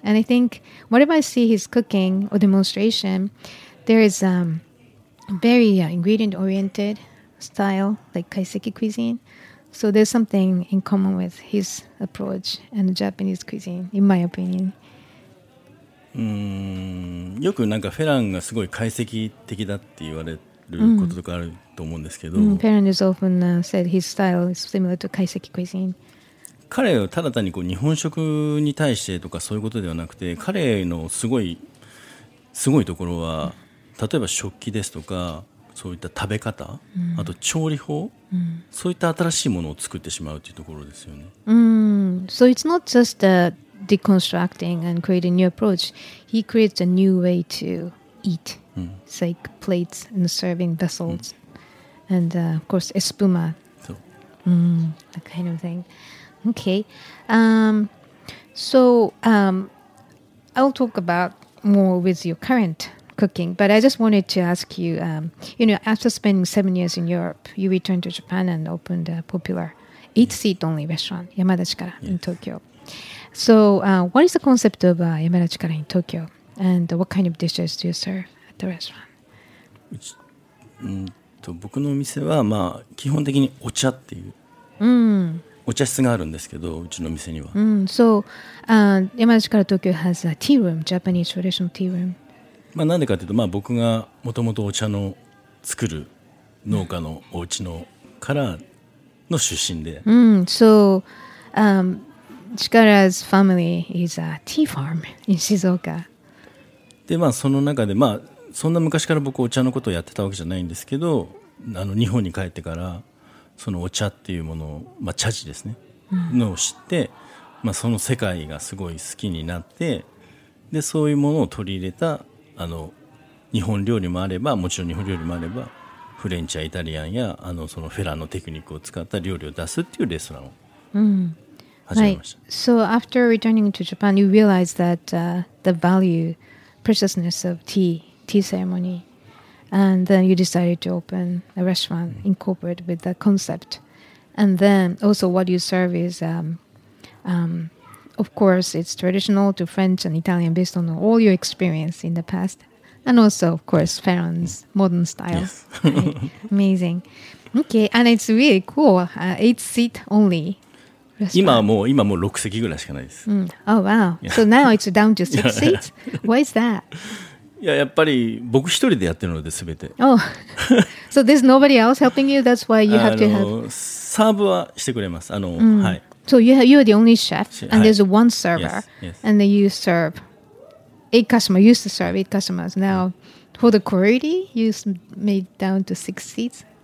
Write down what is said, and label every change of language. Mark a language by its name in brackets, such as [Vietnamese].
[English] And I think whenever I see his cooking or demonstration, there is very ingredient-oriented style like kaiseki cuisine. So there's something in common with his approach and Japanese cuisine, in my opinion. [Japanese] よくなんかフェランがすごい解析的だって言われることとかあると思うんですけど、 [English] フェランは often said his style is similar to 解析 cuisine。 [Japanese] 彼はただ単にこう日本食に対してとかそういうことではなくて、彼のすごいところは、例えば食器ですとかそういった食べ方、あと調理法、そういった新しいものを作ってしまうというところですよね。 [English] So it's not just a deconstructing and creating a new approach he creates a new way to eat it's like plates and serving vessels and of course espuma so. That kind of thing okay I'll talk about more with your current cooking but I just wanted to ask you you know after spending 7 years in Europe you returned to Japan and opened a popular 8-seat only restaurant Yamada Chikara in Tokyo So, what is the concept of Yamada Chikara in Tokyo? And what kind of dishes do you serve at the restaurant? [Japanese] 僕のお店は、まあ、基本的にお茶っていう、お茶室があるんですけど、うちの店には。 [English] Yamada Chikara Tokyo has a tea room, Japanese traditional tea room. [Japanese] まあ、なんでかというと、まあ、僕がもともとお茶の作る農家のお家のからの出身で。 [English] Chikara's family is a tea farm in Shizuoka. [Japanese] で、まあその中で、まあそんな昔から僕お茶のことをやってたわけじゃないんですけど、あの日本に帰ってからそのお茶っていうものを、まあ茶事ですね、のを知って、まあその世界がすごい好きになって、でそういうものを取り入れたあの日本料理もあれば、もちろん日本料理もあれば、フレンチやイタリアンやあのそのフェラのテクニックを使った料理を出すっていうレストランを。 [English] Right. So after returning to Japan, you realized that the value, preciousness of tea ceremony, And then you decided to open a restaurant in corporate with that concept. And then also what you serve is, of course, it's traditional to French and Italian based on all your experience in the past. And also, of course, Ferron's modern style. Yes. Right. Amazing. Okay, and it's really cool. 8-seat only. [Japanese] 今はもう6席ぐらいしかないです。 [English] Oh, wow. Yeah. So now it's down to 6 seats? Why is that? [Japanese] いや、やっぱり僕一人でやってるので、全て。 [English] Oh, so there's nobody else helping you? That's why you have to have... [Japanese] サーブはしてくれます。 [English] So you are the only chef, and there's one server, yes, yes. And then you serve 8 customers. You used to serve 8 customers. Now, for the quality, you made down to 6 seats?